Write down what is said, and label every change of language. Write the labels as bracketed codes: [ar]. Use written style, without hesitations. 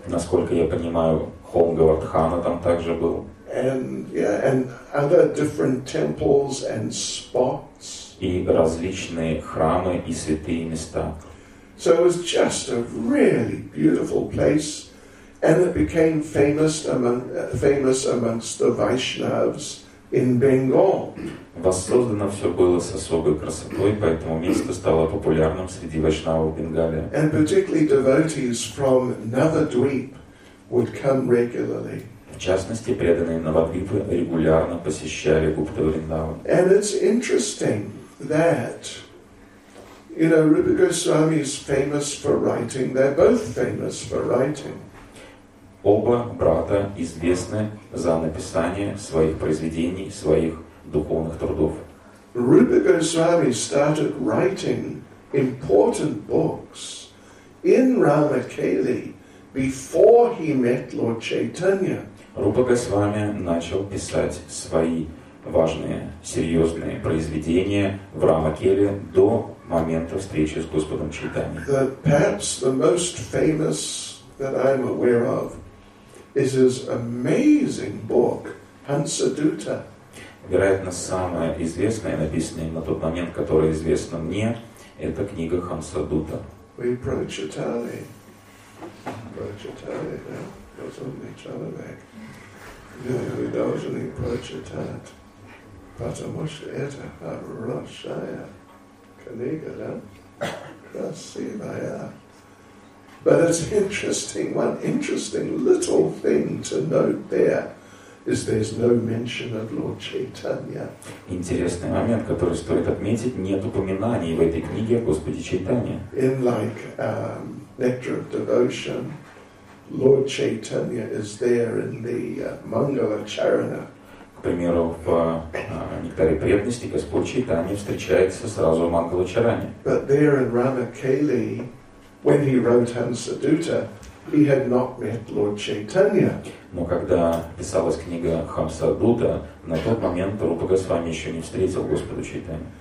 [ru] Насколько я понимаю, холм Говардхана там также был. [en] And other different temples and spots. [ru] И различные храмы и святые места. [en] So it was just a really beautiful place, and it became famous amongst the Vaishnavs. In Bengal. [ru] Воссоздано все было с особой красотой, поэтому место стало популярным среди вайшнавов Бенгалии. [en] And particularly devotees from Navadvip would come regularly. [ru] В частности, преданные Навадвипы регулярно посещали Гупта Вриндаван. [en] And it's interesting that, you know, Rupa Goswami is famous for writing. They're both famous for writing. [ru] Оба брата известны за написание своих произведений, своих духовных трудов. [en] Rupa Goswami started writing important books in Ramakeli before he met Lord Chaitanya. [ru] Rupa Goswami начал писать свои важные, серьезные произведения в Рамакеле до момента встречи с Господом Чайтаньей. [en] Perhaps the most famous that I'm aware of is his amazing book, Hansadutta. [ru] Вероятно, самое известное, написанное на тот момент, которое известно мне, это книга Хансадутта. We prochitali. Prochitali, да? Разумный человек. Вы должны прочитать. Потому что это хорошая книга, да? Красивая. [en] But it's interesting, one interesting little thing to note there is there's no mention of Lord Chaitanya. [ru] Интересный момент, который стоит отметить, нет упоминаний в этой книге о Господе Чайтанье. [en] In like Nectar of Devotion, Lord Chaitanya is there in the Mangala Charana. [ru] К примеру, в Нектаре преданности Господь Чайтанья встречается сразу в Мангала Чаране. [en] But there in Ramakeli, when he wrote Hansadutta, he had not met Lord Chaitanya. [ru] Но когда писалась книга Хамсадутта, на тот момент Рупа Госвами еще не встретил Господа Чайтанью.